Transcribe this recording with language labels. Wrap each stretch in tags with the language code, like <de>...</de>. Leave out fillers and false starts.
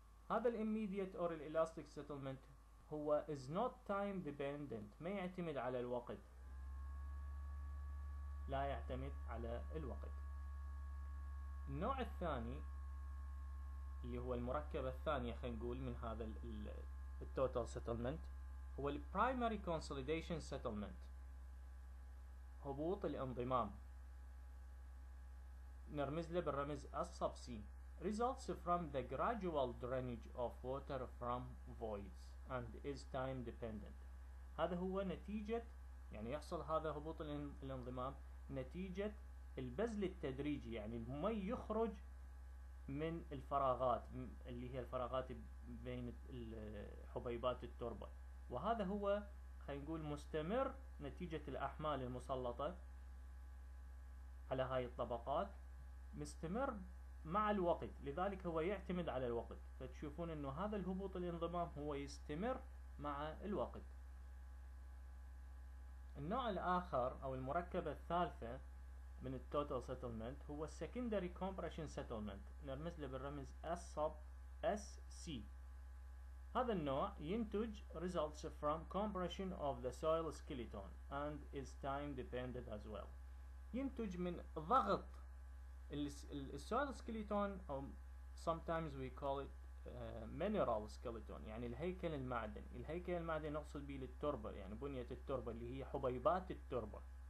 <ar>هذا الـ</ar> <en>immediate or elastic settlement</en> <ar>هو</ar> <en>is not time dependent،</en> <ar>ما يعتمد على الوقت، لا يعتمد على الوقت. النوع الثاني اللي هو المركبة الثانية خلينا نقول من هذا التوتال سيتلمنت هو البرايمري كونسوليديشن سيتلمنت، هبوط الانضمام نرمز له بالرمز الصف سي.</ar> <en>Results from the gradual drainage of water from voids and is time dependent.</en> <ar>هذا هو نتيجة، يعني يحصل هذا هبوط الانضمام نتيجة البذل التدريجي، يعني المي يخرج من الفراغات اللي هي الفراغات بين حبيبات التربة، وهذا هو خلينا نقول مستمر نتيجة الأحمال المسلطة على هاي الطبقات مستمر مع الوقت، لذلك هو يعتمد على الوقت. فتشوفون انه هذا الهبوط الانضمام هو يستمر مع الوقت. النوع الاخر او المركبة الثالثة من التوتال سيتلمنت هو السكندري كومبريشن سيتلمنت، نرمز له بالرمز SCSC. هذا النوع ينتج</ar> <en>results from compression of the soil skeleton and is time dependent as well.</en> <ar>ينتج من ضغط السويل سكيليتون، او</ar> <en>sometimes we call it mineral skeleton،</en> <ar>يعني الهيكل المعدني. الهيكل المعدني نقصد به للتربة، يعني بنية التربة اللي هي حبيبات التربة.</ar>